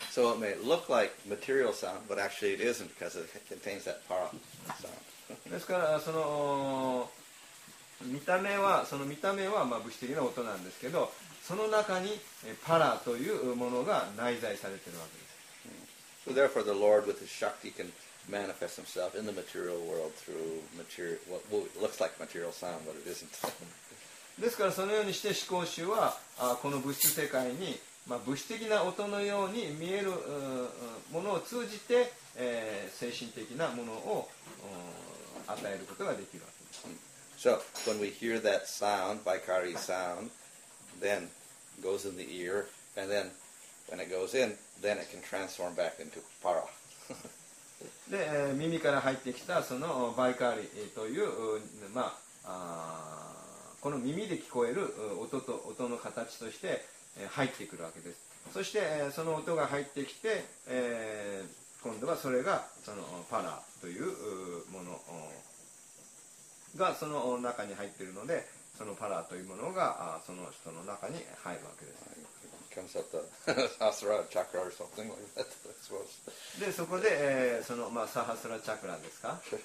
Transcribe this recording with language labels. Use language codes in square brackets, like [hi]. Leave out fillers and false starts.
[en] So it may look like material sound, but actually it isn't because it contains that para sound. [ja] ですからその見た目はまあ物質的な音なんですけど、その中にパラというものが内在されているわけです。 [en] So therefore, the Lord with His Shakti can manifest Himself in the material world through material what looks like material sound, but it isn't. [ja] ですからそのようにして思考主はこの物質世界に。まあ、物質的な音のように見えるものを通じて、精神的なものを与えることができるわけです。 [en] So, when we hear that sound, Vaikari sound, then goes in the ear, and then when it goes in, then it can transform back into para. [ja] で、耳から入ってきたそのVaikariという、まあ、この耳で聞こえる音の形として、入ってくるわけです。そしてその音が入ってきて、今度はそれがそのパラというものがその中に入っているので、そのパラというものがその人の中に入るわけです。 [en] comes up the Sahasra chakra or something like that, I suppose. [ja] でそこで、そのまあサハスラチャクラですか。